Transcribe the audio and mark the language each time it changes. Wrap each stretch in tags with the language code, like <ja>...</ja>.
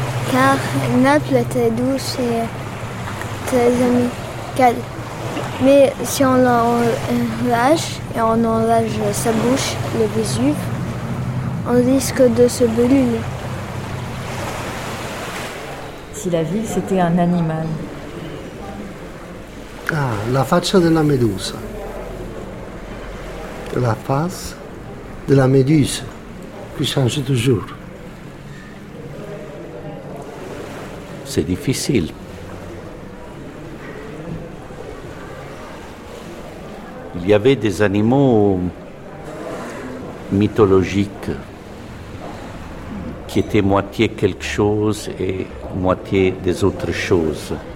<fr>Car Naples était douce et très amicale. Mais si on l'enrage et on enrage sa bouche, le Vésuve, on risque de se brûler. Si la ville c'était un animal.</fr> <it>Ah, la faccia della medusa.</it> <fr>La face de la méduse, qui change toujours. C'est difficile. Il y avait des animaux mythologiques qui étaient moitié quelque chose et moitié des autres choses.</fr>